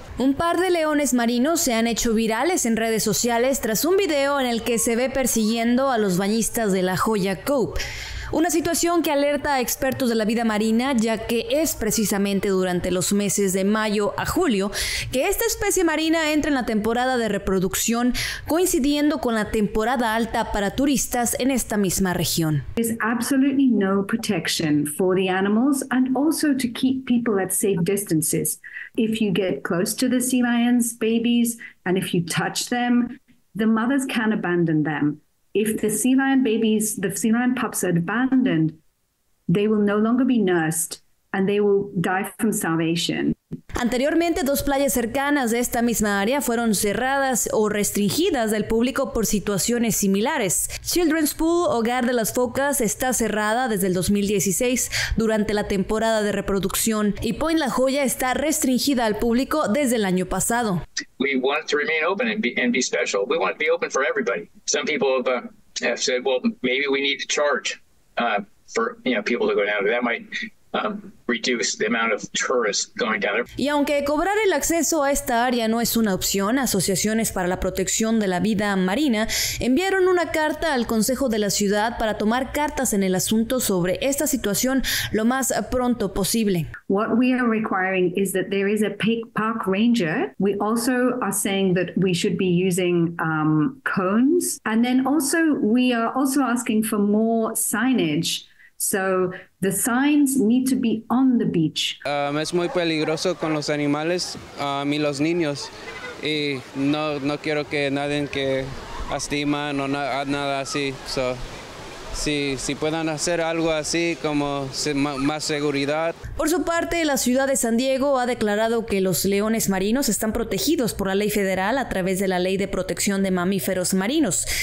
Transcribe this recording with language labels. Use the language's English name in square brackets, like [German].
[Spanish] Un par de leones marinos se han hecho virales en redes sociales tras un video en el que se ve persiguiendo a los bañistas de La Joya Cove. Una situación que alerta a expertos de la vida marina, ya que es precisamente durante los meses de mayo a julio que esta especie marina entra en la temporada de reproducción, coincidiendo con la temporada alta para turistas en esta misma región. [English] There's absolutely no protection for the animals and also to keep people at safe distances. If you get close to the sea lions' babies and if you touch them, the mothers can abandon them. If the sea lion babies, the sea lion pups are abandoned, they will no longer be nursed and they will die from starvation. [Spanish] Anteriormente, dos playas cercanas de esta misma área fueron cerradas o restringidas del público por situaciones similares. Children's Pool, hogar de las focas, está cerrada desde el 2016 durante la temporada de reproducción y Point La Joya está restringida al público desde el año pasado. [English] We want to remain open and be special. We want to be open for everybody. Some people have said, well, maybe we need to charge for, you know, people to go down. That might reduce the amount of tourists going down there. [Spanish] Y aunque cobrar el acceso a esta área no es una opción, asociaciones para la protección de la vida marina enviaron una carta al Consejo de la Ciudad para tomar cartas en el asunto sobre esta situación lo más pronto posible. [English] What we are requiring is that there is a park ranger. We also are saying that we should be using cones. And then also we are also asking for more signage. So the signs need to be on the beach. [Spanish] Es muy peligroso con los animales y los niños. Y no quiero que nadie que lastima o nada así. [English] So, [Spanish] si puedan hacer algo así como más seguridad. Por su parte, la ciudad de San Diego ha declarado que los leones marinos están protegidos por la ley federal a través de la Ley de Protección de Mamíferos Marinos.